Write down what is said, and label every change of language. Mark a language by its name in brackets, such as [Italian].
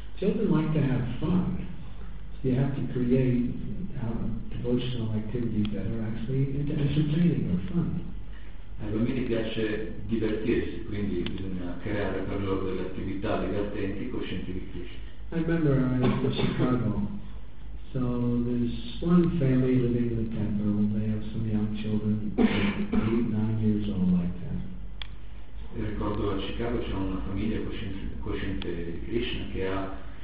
[English] Children like to have fun, so you have to create devotional activities that are actually entertaining or fun. [Italian] Ai bambini piace divertirsi, quindi bisogna creare per loro delle attività divertenti coscienti di Krishna. [English] I remember I was in Chicago. So there's one family living in the temple, and they have some young children, 8-9 years old, like that. [Italian] Ricordo a Chicago c'è una famiglia cosciente di Krishna che ha